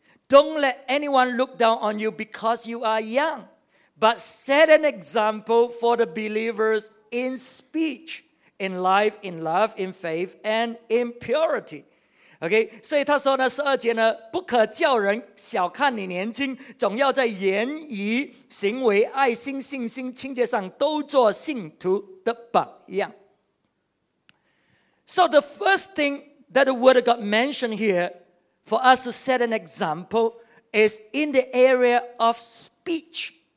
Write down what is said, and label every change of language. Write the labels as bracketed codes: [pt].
[en] Don't let anyone look down on you because you are young, but set an example for the believers in speech, in life, in love, in faith, and in purity. [zh] Okay, 所以他说呢，十二节呢，不可叫人小看你年轻，总要在言语、行为、爱心、信心、清洁上都做信徒的榜样。 [en] So the first thing that the word of God mentioned here for us to set an example is in the area of speech.